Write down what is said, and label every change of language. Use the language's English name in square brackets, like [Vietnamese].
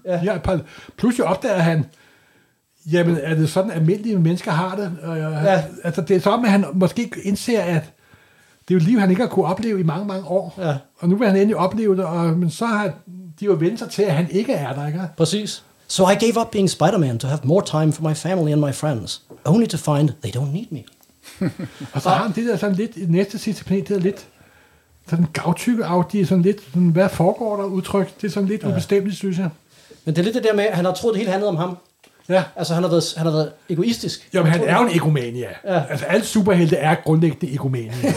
[Danish] Ja. Pludselig opdager han, jamen er det sådan, almindelige mennesker har det? Ja. Altså, det er som om, at han måske indser, at det er et liv, han ikke har kunnet opleve i mange, mange år. Ja. Og nu vil han endelig opleve det, men så har de jo vendt sig til, at han ikke er der. Ikke? Præcis. [English] So I gave up being Spider-Man to have more time for my family and my friends, only to find they don't need me. [Danish] Og så har han det der sådan lidt, næste citat, det er lidt... Sådan gavtykke Audi, sådan lidt, sådan, hvad foregår der udtryk? Det er sådan lidt ubestemt, synes jeg. Men det er lidt det der med, at han har troet, det hele handlede om ham. Ja. Altså, han har været egoistisk. Jo, men han er jo en egomania. Ja. Altså, alle superhelte er grundlæggende egomania.